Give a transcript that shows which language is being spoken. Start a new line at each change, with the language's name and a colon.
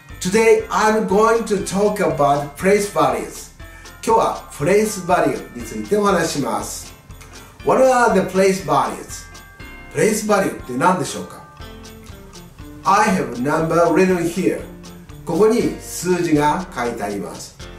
English: Today I'm going to talk about place values.
Japanese: 今日は place value についてお話します。
English: What are the place values?
Japanese: Place value って何でしょうか?
English: I have a number written here.
Japanese: ここに数字が書いてあります。